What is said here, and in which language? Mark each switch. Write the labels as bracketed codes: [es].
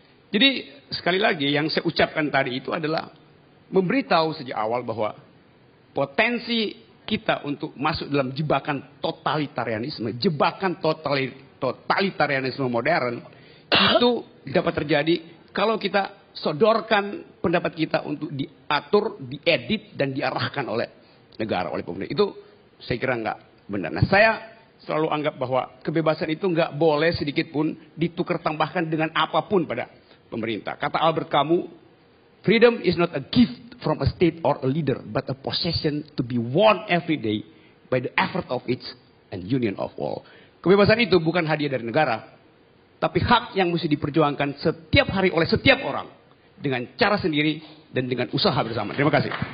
[id] Jadi sekali lagi yang saya ucapkan tadi itu adalah memberitahu sejak awal bahwa potensi kita untuk masuk dalam jebakan totalitarianisme, jebakan totalitarianisme modern itu dapat terjadi kalau kita sodorkan pendapat kita untuk diatur, diedit, dan diarahkan oleh negara, oleh pemerintah. Itu saya kira enggak benar. Nah, saya selalu anggap bahwa kebebasan itu enggak boleh sedikit pun ditukar tambahkan dengan apapun pada pemerintah. [en] Kata Albert Camus, freedom is not a gift from a state or a leader, but a possession to be won every day by the effort of each and union of all. [id] Kebebasan itu bukan hadiah dari negara, tapi hak yang mesti diperjuangkan setiap hari oleh setiap orang dengan cara sendiri dan dengan usaha bersama. Terima kasih.